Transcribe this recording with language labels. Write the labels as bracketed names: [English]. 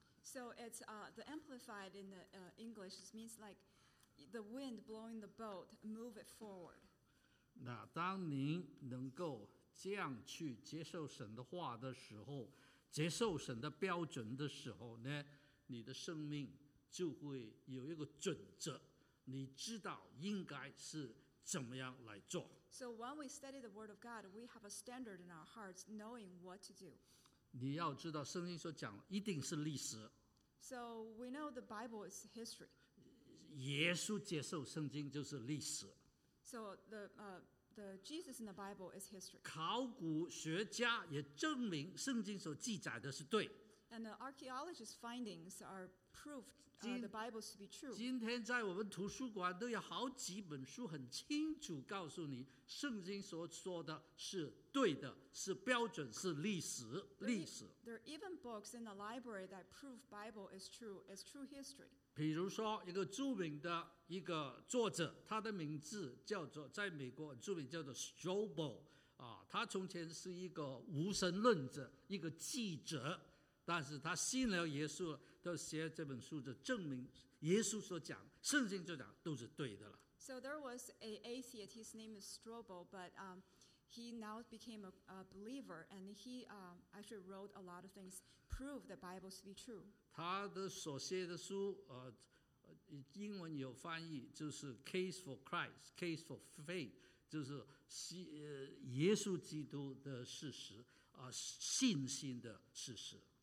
[English] So it's the Amplified in the English means like the wind blowing the boat, move it forward. [Chinese] 那当您能够这样去接受神的话的时候，接受神的标准的时候呢，你的生命就会有一个准则，你知道应该是怎么样来做。 [English] So when we study the word of God, we have a standard in our hearts knowing what to do. [Chinese] 你要知道圣经所讲一定是历史。 [English] So we know the Bible is history. [Chinese] 耶稣接受圣经就是历史。 [English] So the Jesus in the Bible is history. [Chinese] 考古学家也证明圣经所记载的是对。 [English] And the archaeologist's findings are proved the Bible to be true. [Chinese] 今天在我们图书馆都有好几本书很清楚告诉你圣经所说的是对的，是标准，是历史，历史。 [English] There are even books in the library that prove Bible is true, is true history. [Chinese] 比如说一个著名的一个作者，他的名字叫做，在美国著名叫做 Strobel, 他从前是一个无神论者，一个记者。但是他信了耶稣了，都写这本书就证明耶稣所讲，圣经所讲都是对的了。 [English] So there was an atheist, his name is Strobel, but he now became a believer, and he actually wrote a lot of things, proved the Bible to be true. [Chinese] 他的所写的书，英文有翻译，就是 Case for Christ, Case for Faith, 就是耶稣基督的事实，信心的事实。